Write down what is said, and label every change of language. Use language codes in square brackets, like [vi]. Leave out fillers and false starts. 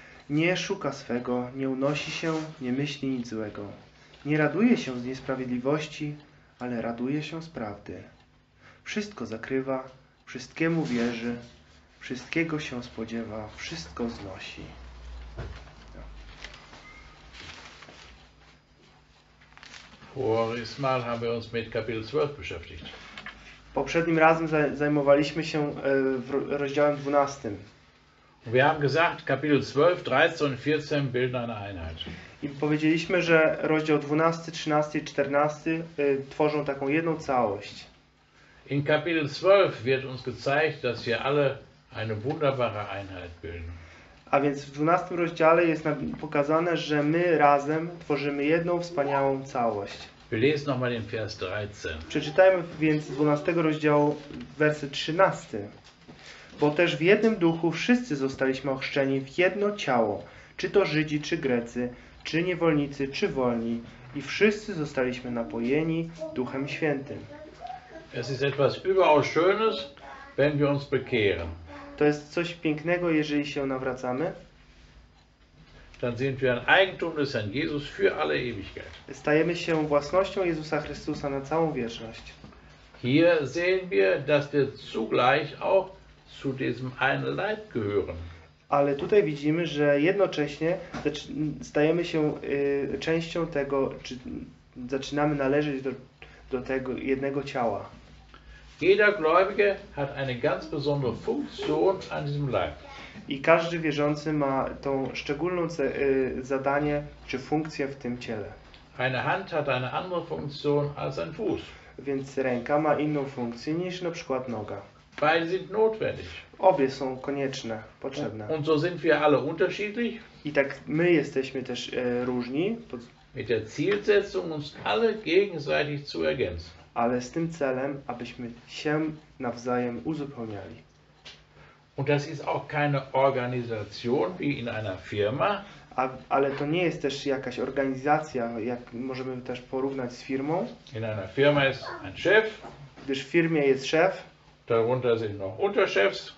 [pl] Nie szuka swego, nie unosi się, nie myśli nic złego. Nie raduje się z niesprawiedliwości, ale raduje się z prawdy. Wszystko zakrywa, wszystkiemu wierzy, wszystkiego się spodziewa, wszystko znosi. [de] Voriges Mal haben wir uns mit Kapitel 12 beschäftigt. [pl] Poprzednim razem zajmowaliśmy się rozdziałem 12. [de] Wir haben gesagt, Kapitel 12, 13 und 14 bilden eine Einheit. [pl] I powiedzieliśmy, że rozdział 12, 13 i 14 tworzą taką jedną całość. [de] In Kapitel 12 wird uns gezeigt, dass wir alle eine wunderbare Einheit bilden. [pl] A więc w 12 rozdziale jest nam pokazane, że my razem tworzymy jedną wspaniałą całość. [de] Wir lesen noch mal den Vers 13. [pl] Przeczytajmy więc z 12 rozdziału werset 13. Bo też w jednym duchu wszyscy zostaliśmy ochrzczeni w jedno ciało, czy to Żydzi, czy Grecy, czy niewolnicy, czy wolni, i wszyscy zostaliśmy napojeni Duchem Świętym. [de] Es ist etwas überaus schönes, wenn wir uns bekehren. [pl] To jest coś pięknego, jeżeli się nawracamy. [de] Dann sind wir ein Eigentum des Herrn Jesus für alle Ewigkeit. [pl] Stajemy się własnością Jezusa Chrystusa na całą wieczność. [de] Hier sehen wir, dass wir zugleich auch zu diesem einen Leib gehören. [pl] Ale tutaj widzimy, że jednocześnie stajemy się częścią tego, czy zaczynamy należeć do tego jednego ciała. [de] Jeder Gläubige hat eine ganz besondere Funktion an diesem Leib. [pl] I każdy wierzący ma tą szczególną zadanie czy funkcję w tym ciele. [de] Eine Hand hat eine andere Funktion als ein Fuß. [pl] Więc ręka ma inną funkcję niż na przykład noga. [de] Beide sind notwendig. [pl] Obie są konieczne, potrzebne. [de] Und so sind wir alle unterschiedlich. [pl] I tak my jesteśmy też różni. [de] Mit der Zielsetzung uns alle gegenseitig zu ergänzen. [pl] Ale z tym celem, abyśmy się nawzajem uzupełniali. [de] Und das ist auch keine Organisation wie in einer Firma. [pl] Ale to nie jest też jakaś organizacja, jak możemy też porównać z firmą. [de] In einer Firma ist ein Chef. [pl] Gdyż w firmie jest szef. [de] Darunter sind noch Unterchefs.